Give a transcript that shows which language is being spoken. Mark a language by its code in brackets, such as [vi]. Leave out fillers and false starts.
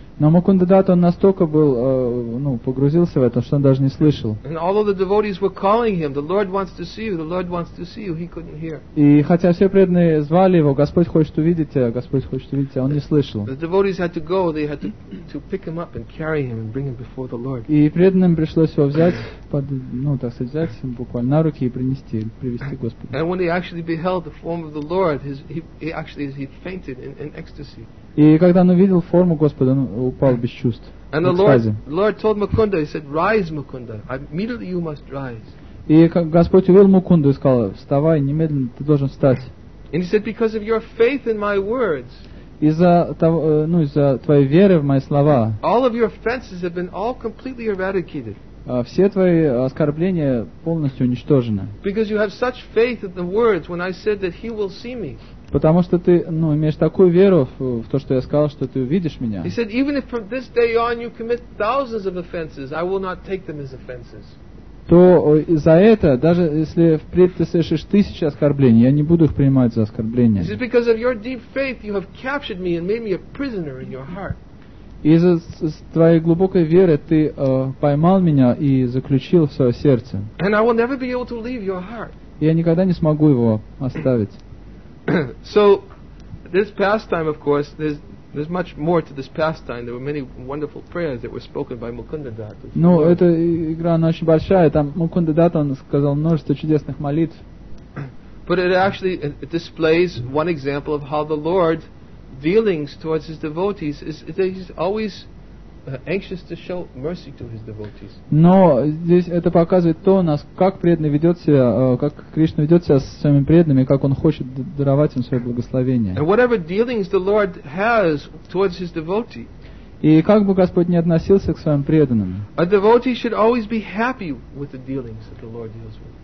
[ru] Но Мукунда Датт, он настолько был, погрузился в это, что он даже не слышал. [en] And although the devotees were calling him, the Lord wants to see you, the Lord wants to see you, he couldn't hear. [ru] И хотя все преданные звали его, Господь хочет увидеть тебя, Господь хочет увидеть тебя, он не слышал. [en] The devotees had to go, they had to pick him up and carry him and bring him before the Lord. [ru] И преданным пришлось его взять буквально на руки и принести, привести к Господу. [en] And when he actually beheld the form of the Lord, he fainted in ecstasy. [ru] И когда он увидел форму Господа, он упал без чувств. [en] And the Lord told Mukunda, he said, "Rise, Mukunda. Immediately you must rise." [ru] И Господь увидел Мукунду и сказал, вставай, немедленно ты должен встать. [en] And he said, "Because of your faith in my words." [ru] Из-за твоей веры в мои слова. [en] All of your offenses have been all completely eradicated. [ru] Все твои оскорбления полностью уничтожены. [en] Because you have such faith in the words when I said that he will see me. [ru] Потому что ты имеешь такую веру в то, что я сказал, что ты увидишь меня. [en] He said, even if from this day on you commit thousands of offenses, I will not take them as offenses. [ru] То за это, даже если впредь ты совершишь тысячи оскорблений, я не буду их принимать за оскорбления. [en] He said, because of your deep faith, you have captured me and made me a prisoner in your heart. [ru] Из-за твоей глубокой веры ты поймал меня и заключил в свое сердце. [en] And I will never be able to leave your heart. [ru] Я никогда не смогу его оставить. [en] So, this pastime, of course, there's much more to this pastime. There were many wonderful prayers that were spoken by Mukunda Datt. [ru] Ну, эта игра, она очень большая. Там Мукунда Датт, он сказал множество чудесных молитв. [en] But it actually it displays one example of how the Lord dealings towards his devotees is that he's always anxious to show mercy to his devotees. [ru] Но здесь это показывает то, как преданный ведет себя, как Кришна ведет себя с своими преданными, как он хочет даровать им свое благословение. [en] And whatever dealings the Lord has towards his devotee. [ru] И как бы Господь ни относился к своим преданным. [en] A devotee should always be happy with the dealings that the Lord deals with.